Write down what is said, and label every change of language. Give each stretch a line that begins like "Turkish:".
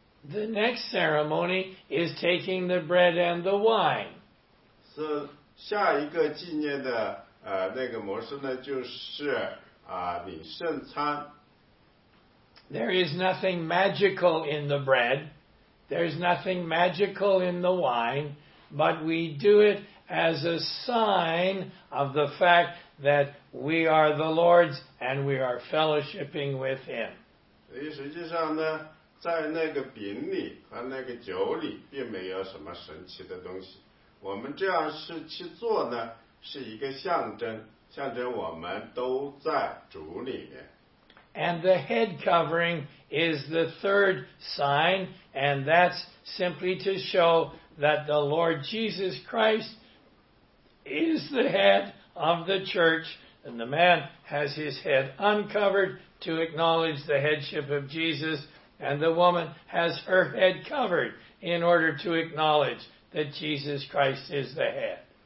English: The next ceremony is taking the bread and the wine.
Chinese: 下一个纪念的, 那个模式呢, 就是, 领圣餐。
English: There is nothing magical in the bread. There's nothing magical in the wine. But we do it as a sign of the fact that we are the Lord's and we are fellowshipping with Him.
Chinese: 实际上呢, 在那个饼里和那个酒里, 并没有什么神奇的东西。我们这样是去做呢, 是一个象征, 象征我们都在主里面。
English: And the head covering is the third sign, and that's simply to show that the Lord Jesus Christ is the head of the church, and the man has his head uncovered to acknowledge the headship of Jesus, and the woman has her head covered in order to acknowledge that Jesus Christ is the head.